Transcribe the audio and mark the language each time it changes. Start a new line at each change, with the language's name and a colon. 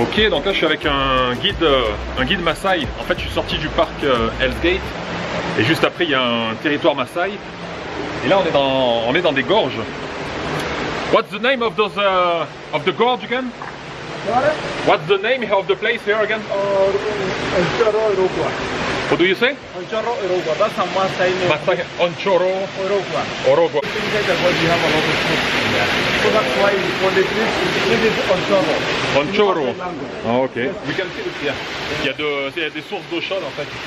French: Donc là je suis avec un guide Maasai. En fait je suis sorti du parc Hell's Gate et juste après il y a un territoire Maasai. Et là on est dans des gorges.
English: What's the name of those of the gorge again? What's the name of the place here again? Onchoro Irogwa. What do you say? Onchoro Irogwa. That's a Maasai name. Maasai Onchoro Irogwa. So that's why for the trees it is Onchoro. Onchoro. Ah, ok. Yes. We can see it. Yeah.
French: Il y a des sources d'eau chaude en fait.